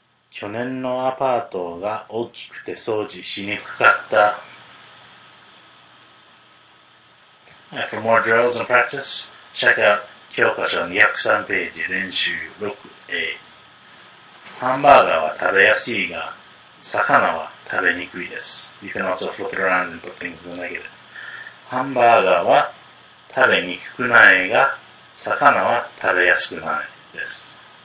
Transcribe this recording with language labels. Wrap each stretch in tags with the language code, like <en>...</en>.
<ja>去年のアパートが大きくて掃除しにくかった。</ja> <en>Right, for more drills and practice, check out</en> <ja>教科書の203ページ練習 6A。ハンバーガーは食べやすいが、魚は食べにくいです。</ja> <en>You can also flip it around and put things in the negative.</en> <ja>ハンバーガーは食べにくくないが、魚は食べやすくないです。</ja>